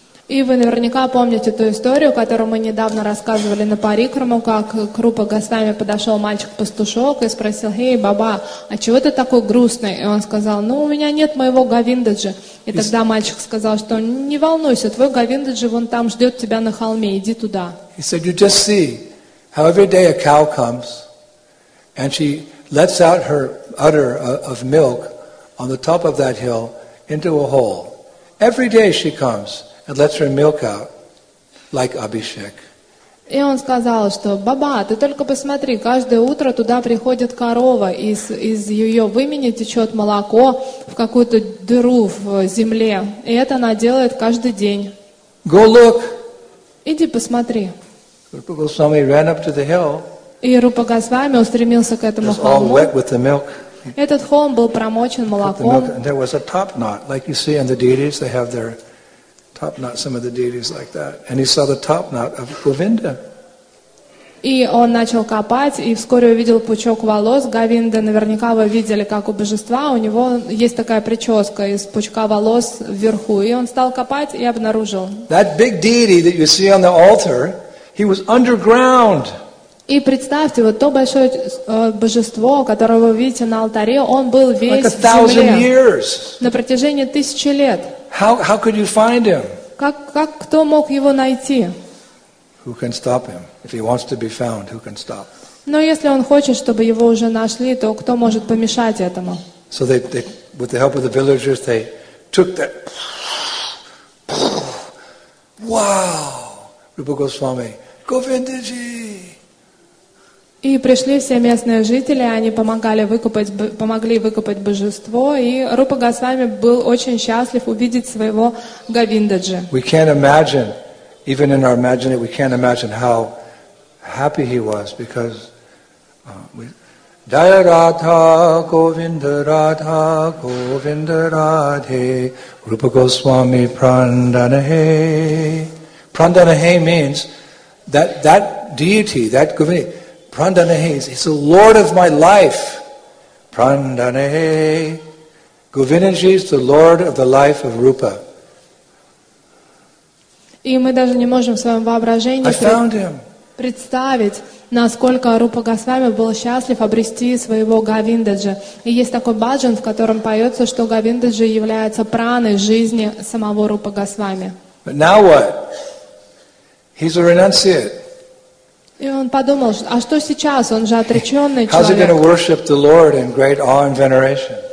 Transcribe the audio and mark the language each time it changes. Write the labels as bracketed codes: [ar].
[ru] И вы наверняка помните ту историю, которую мы недавно рассказывали на парикраму, как к Рупа Госвами подошел мальчик-пастушок и спросил, «Эй, Баба, а чего ты такой грустный?» И он сказал, «Ну, у меня нет моего Говиндаджи». И тогда мальчик сказал, что «Не волнуйся, твой Говиндаджи вон там ждет тебя на холме, иди туда». [en] He said, you just see how every day a cow comes and she lets out her udder of milk on the top of that hill into a hole. Every day she comes. And lets her milk out, like Abhishek. [ru] И он сказал, что Баба, ты только посмотри, каждое утро туда приходит корова, и из ее вымени течет молоко в какую-то дыру в земле. И это она делает каждый день. [en] Go look. [ru] Иди посмотри. [en] Rupa Goswami ran up to the hill. [ru] И Рупа Госвами устремился к этому холму. [en] All wet with the milk. [ru] Этот холм был промочен молоком. [en] There was a top knot, like you see in the deities, they have their top knot, some of the deities like that. And he saw the top knot of Govinda. [ru] И он начал копать, и вскоре увидел пучок волос. Говинда, наверняка вы видели, как у божества, у него есть такая прическа из пучка волос вверху. И он стал копать и обнаружил. [en] That big deity that you see on the altar, he was underground. [ru] И представьте, вот то большое божество, которое вы видите на алтаре, он был весь [en] like a thousand [ru] в земле [en] years. [ru] На протяжении тысячи лет. [en] How could you find him? [ru] Как кто мог его найти? [en] Who can stop him? If he wants to be found, who can stop? [ru] Но если он хочет, чтобы его уже нашли, то кто может помешать этому? [en] So they, with the help of the villagers, they took that. Wow! Rupa Goswami, Govindaji! [ru] И пришли все местные жители, они помогли выкопать божество, и Рупа Госвами был очень счастлив увидеть своего Говиндаджи. [en] We can't imagine. Even in our imagination, we can't imagine how happy he was because Jaya Radha Govinda Radha Govinda Radhe Rupa Goswami Prandanahe. Prandanahe means that deity, that Govinda, Prandanahe is the Lord of my life. Prandanahe. Govindaji is the Lord of the life of Rupa. [ru] И мы даже не можем в своем воображении представить, насколько Рупа Госвами был счастлив обрести своего Говиндаджи. И есть такой баджан, в котором поется, что Говиндаджи является праной жизни самого Рупа Госвами. [en] But now what? He's a renunciate. [ru] И он подумал, а что сейчас? Он же отреченный человек. [en] How's he going to worship the Lord in great awe and veneration?